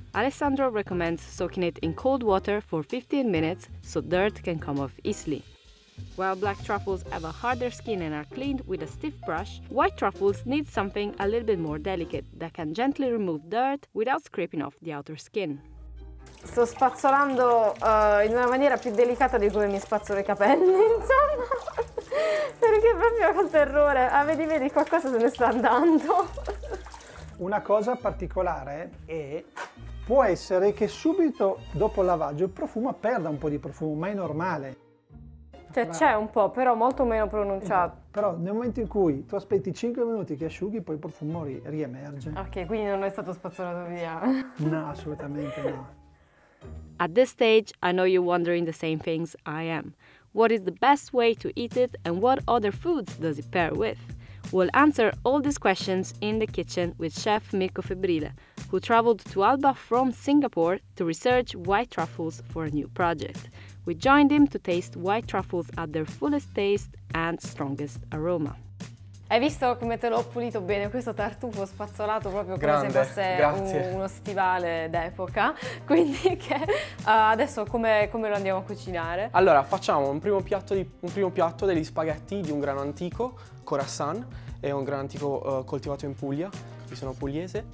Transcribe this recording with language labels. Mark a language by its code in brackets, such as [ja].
[en] Alessandro recommends soaking it in cold water for 15 minutes so dirt can come off easily. While black truffles have a harder skin and are cleaned with a stiff brush, white truffles need something a little bit more delicate that can gently remove dirt without scraping off the outer skin. [it] Sto spazzolando in una maniera più delicata di come mi spazzolo i capelli, insomma, perché proprio con terrore. Ah, vedi, qualcosa se ne sta andando. Una cosa particolare è, può essere che subito dopo il lavaggio il profumo perda un po' di profumo, ma è normale. Cioè c'è un po', però molto meno pronunciato. Però nel momento in cui tu aspetti 5 minuti che asciughi, poi il profumo riemerge. Ok, quindi non è stato spazzolato via. No, assolutamente no. [en] At this stage, I know you're wondering the same things I am. What is the best way to eat it and what other foods does it pair with? We'll answer all these questions in the kitchen with Chef Mirko Febrile, who traveled to Alba from Singapore to research white truffles for a new project. We joined him to taste white truffles at their fullest taste and strongest aroma. [it] Hai visto come te l'ho pulito bene questo tartufo spazzolato proprio come grande, se fosse uno stivale d'epoca, quindi che adesso come lo andiamo a cucinare? Allora facciamo un primo piatto degli spaghetti di un grano antico, Khorasan, è un grano antico coltivato in Puglia, io sono pugliese.